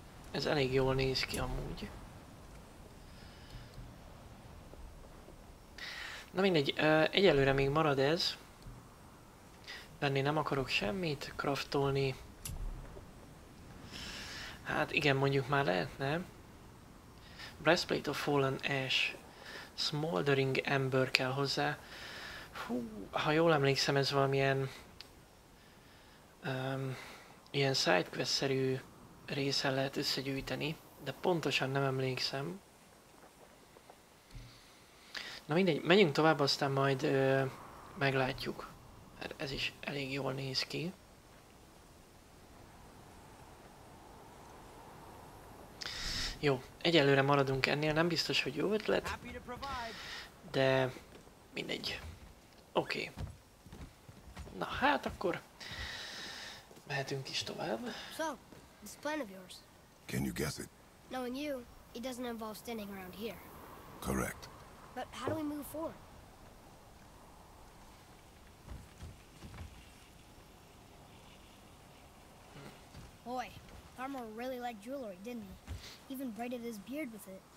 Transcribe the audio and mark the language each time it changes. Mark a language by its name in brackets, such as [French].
[Hungarian] Ez elég jól néz ki amúgy. Na mindegy, egyelőre még marad ez. Venni nem akarok semmit, craftolni. Hát igen, mondjuk már lehetne. Breastplate of Fallen Ash. Smoldering Ember kell hozzá. Hú, ha jól emlékszem, ez valamilyen... ilyen sidequest-szerű része lehet összegyűjteni. De pontosan nem emlékszem. Na mindegy, menjünk tovább, aztán majd meglátjuk. Mert ez is elég jól néz ki. Jó, egyelőre maradunk ennél, nem biztos, hogy jó ötlet. De mindegy. Oké. Na hát akkor mehetünk is tovább. [English] So, this plan of yours. Can you guess it? Knowing you, it doesn't involve standing around here. Correct. But how do we move forward? Boy, Farmer really liked jewelry, didn't he? Even braided his beard with it.